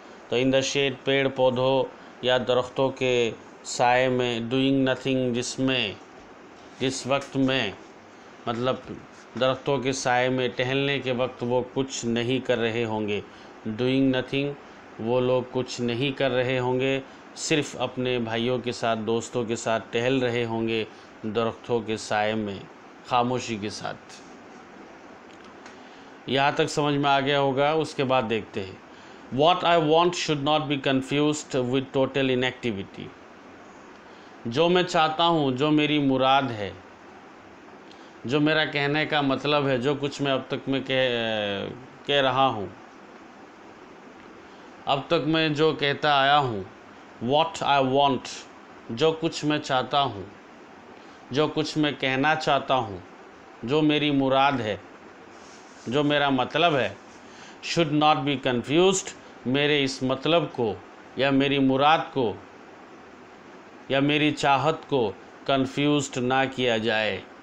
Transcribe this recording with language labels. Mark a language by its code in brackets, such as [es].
[hi] तो [en] in the shade, [hi] पेड़ पौधों या दरख्तों के साए में, [en] doing nothing, [hi] जिसमें, जिस वक्त में, मतलब दरख्तों के साए में टहलने के वक्त वो कुछ नहीं कर रहे होंगे, डूइंग नथिंग, वो लोग कुछ नहीं कर रहे होंगे, सिर्फ अपने भाइयों के साथ, दोस्तों के साथ टहल रहे होंगे दरख्तों के साए में, खामोशी के साथ। यहाँ तक समझ में आ गया होगा, उसके बाद देखते हैं। [en] What I want should not be confused with total inactivity. [hi] जो मैं चाहता हूँ, जो मेरी मुराद है, जो मेरा कहने का मतलब है, जो कुछ मैं अब तक में कह रहा हूँ, अब तक मैं जो कहता आया हूँ, [en] What I want, [hi] जो कुछ मैं चाहता हूँ, जो कुछ मैं कहना चाहता हूँ, जो मेरी मुराद है, जो मेरा मतलब है, [en] should not be confused, [hi] मेरे इस मतलब को या मेरी मुराद को या मेरी चाहत को confused ना किया जाए,